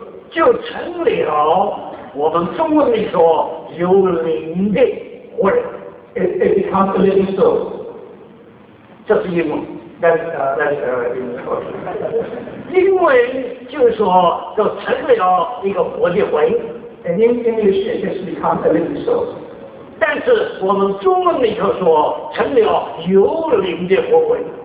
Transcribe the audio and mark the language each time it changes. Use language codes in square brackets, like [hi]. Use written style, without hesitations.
[zh] 就成了我们中文里说有灵的活人。 [en] It becomes a living soul. [zh] 这是英文。 [en] That's [zh] 英文。英文就是说就成了一个活的魂。 [en] And in English, it just becomes a living soul. [zh] 但是我们中文里头说成了有灵的活魂。